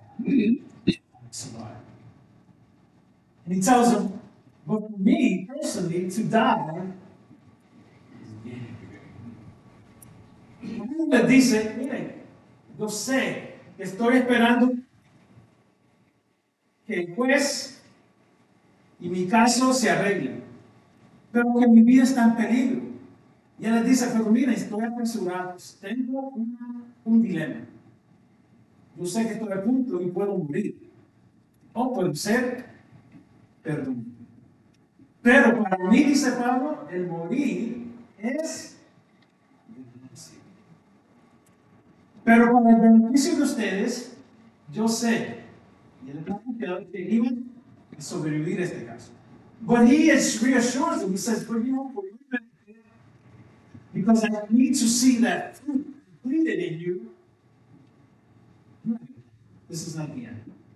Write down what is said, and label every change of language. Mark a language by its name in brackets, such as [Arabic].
[English] I survive. And he tells him, but for me personally, to die is gain. [Spanish] Y le dice, mire, yo sé que estoy esperando que el juez y mi caso se arreglen, pero que mi vida está en peligro. Y él le dice, pero mira, estoy apresurado, tengo un dilema. Yo sé que estoy a punto y puedo morir. O puedo ser perdonado. Pero para mí, dice Pablo, el morir es ganancia. Pero con el beneficio de ustedes, yo sé, y él está confiado que iba a sobrevivir a este caso. [English] But he is reassured, he says, but you know, for you, because I need to see that fruit completed in you, this is not the end.